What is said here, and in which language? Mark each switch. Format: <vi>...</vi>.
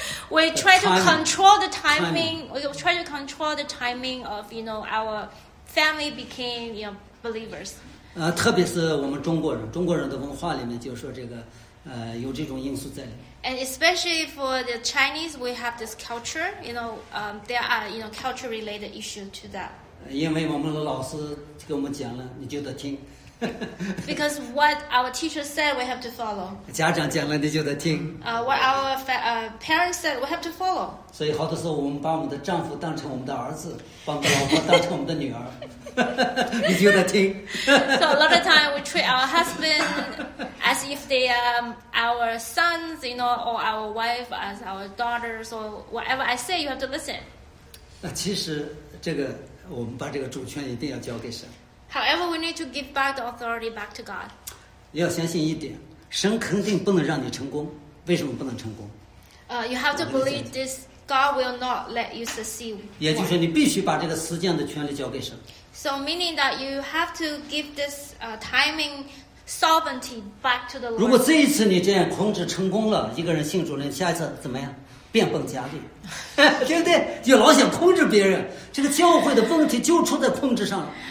<en>We try to control the timing. We try to control the timing of, you know, our family became, you know, believers.</en> <zh>特别是我们中国人，中国人的文化里面就说这个，有这种因素在里面。</zh> <en>And especially for the Chinese, we have this culture. You know, there are, you know, culture related issue to that.</en> <zh>因为我们的老师给我们讲了，你就得听。</zh> <en>Because what our teacher said, we have to follow.</en> <zh>家长讲了，你就得听。</zh> <en>What our parents said, we have to follow.</en> <zh>所以好多时候，我们把我们的丈夫当成我们的儿子，把我们老婆当成我们的女儿，你就得听。</zh> <en>So a lot of time we treat our husband as if they are our sons, you know, or our wife as our daughters, or whatever I say, you have to listen.</en> <zh>那其实这个，我们把这个主权一定要交给神。</zh> <en>However, we need to give back the authority back to God.</en> <zh>要相信一点，神肯定不能让你成功。为什么不能成功？</zh> <en>You have to believe this. God will not let you succeed.</en> <zh>也就是你必须把这个实践的权利交给神。</zh> <en>So meaning that you have to give this timing sovereignty back to the Lord.</en> <zh>如果这一次你这样控制成功了，一个人信主了，下一次怎么样？变本加厉，对不对？就老想控制别人，这个教会的问题就出在控制上了。</zh>